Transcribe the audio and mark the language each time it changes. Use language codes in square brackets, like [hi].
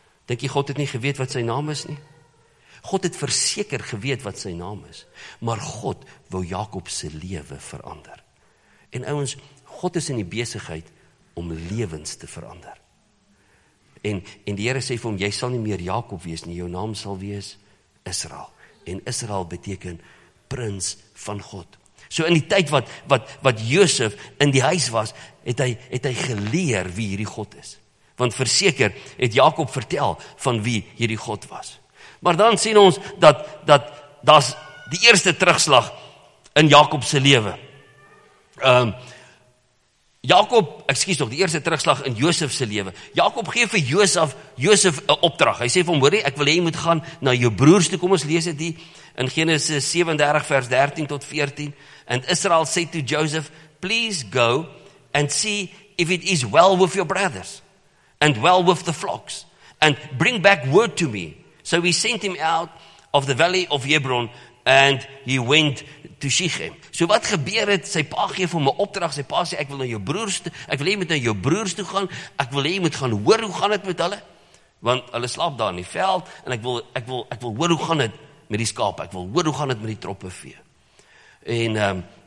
[af] Dink jy God het nie geweet wat sy naam is nie? God het verseker geweet wat sy naam is. Maar God wou Jakob se lewe verander. En ouens, God is in die besigheid om lewens te verander. En die Here sê vir hom, jy sal nie meer Jakob wees nie, jou naam sal wees Israel. En Israel beteken prins van God. So in die tyd wat Josef in die huis was, het hy geleer wie hierdie God is. Want verseker het Jakob vertel van wie hierdie God was. Maar dan sien ons dat daar's die eerste terugslag in Jakob se lewe. Die eerste terugslag in Josef se lewe. Jakob gee vir Josef 'n opdrag. Hy sê vir hom, hoor jy, ek wil hê jy moet gaan na jou broers toe. Kom ons lees dit hier in Genesis 37 vers 13 tot 14. [en] And Israel said to Joseph, please go and see if it is well with your brothers and well with the flocks and bring back word to me. So he sent him out of the valley of Hebron and he went to Shechem. [af] So wat gebeur het, sy pa gee vir hom 'n opdrag, sy pa sê ek wil hê jy moet na jou broers toe gaan, ek wil hê jy moet gaan hoor hoe gaan dit met hulle, want hulle slaap daar in die veld en ek wil hoor hoe gaan dit met die skaap, ek wil hoor hoe gaan dit met die troppe vee. En